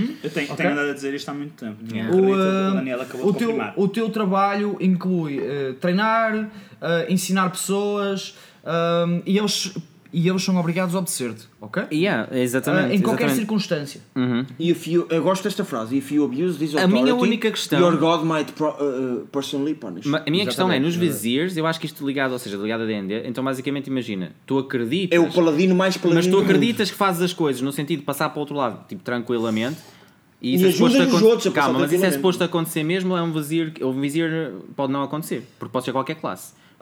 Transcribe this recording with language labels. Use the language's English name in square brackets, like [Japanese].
[Portuguese] Eu tenho, tenho andado a dizer isto há muito tempo. Não acredito, o Daniel acabou de confirmar. O teu trabalho inclui treinar, ensinar pessoas, e eles... E eles são obrigados a obedecer-te, ok? Yeah, exatamente. Em qualquer circunstância. Uhum. [English] If you, [Portuguese] eu gosto desta frase. [English] If you abuse this authority, [Portuguese] a minha única questão, [English] your God might personally punish. [Portuguese] A minha exatamente. Questão é, nos viziers, eu acho que isto ligado, ou seja, ligado a D&D, então basicamente imagina, tu acreditas... É o paladino mais paladino. Mas tu acreditas que fazes as coisas no sentido de passar para o outro lado, tipo, tranquilamente... E ajuda os outros a passar. Calma, mas isso é suposto acontecer mesmo, é um vizir... O vizir pode não acontecer, porque pode ser qualquer classe.